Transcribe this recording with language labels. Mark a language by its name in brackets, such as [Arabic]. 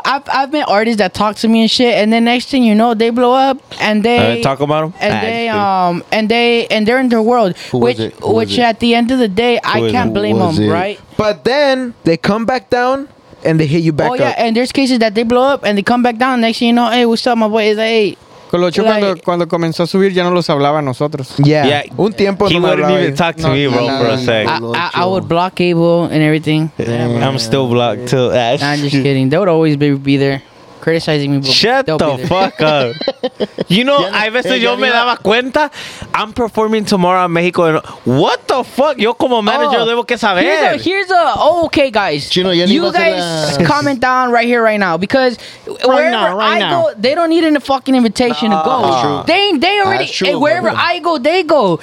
[English] I've met artists that talk to me and shit, and then next thing you know, they blow up and they talk about them. And they're in their world. Who was it? At the end of the day, I can't blame them, right? But then they come back down and they hit you back up. Oh yeah, and there's cases that they blow up and they come back down. Next thing you know, hey, what's up, my boy? [Spanish] Cuando comenzó a subir, ya no los hablaba a nosotros. [English] Yeah. Yeah. [Spanish] Un tiempo [English] he wouldn't even talk to me, bro, for a sec. I would block Abel and everything. Damn, I'm still blocked, too. Nah, I'm just kidding. They would always be there criticizing me. Shut the fuck up. You know, [Spanish] a veces yo me daba cuenta. [English] I'm performing tomorrow in Mexico. And what the fuck? [Spanish] Yo como manager debo que saber. [English] Okay, guys. Chino, you guys comment down right here, right now. Because wherever I go, they don't need a fucking invitation to go. That's true. They already, that's true, and wherever I go, they go.